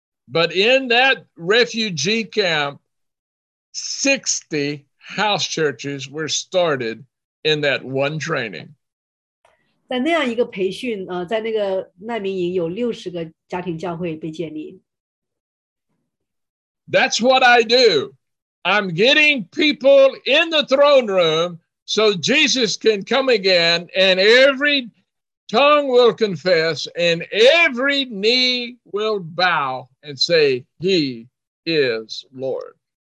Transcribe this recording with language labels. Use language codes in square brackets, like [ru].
[en] But in that refugee camp, 60 house churches were started in that one training. [zh] 在那样一个培训，在那个难民营有60个家庭教会被建立。 [en] That's what I do. I'm getting people in the throne room so Jesus can come again and every tongue will confess, and every knee will bow and say, He is Lord.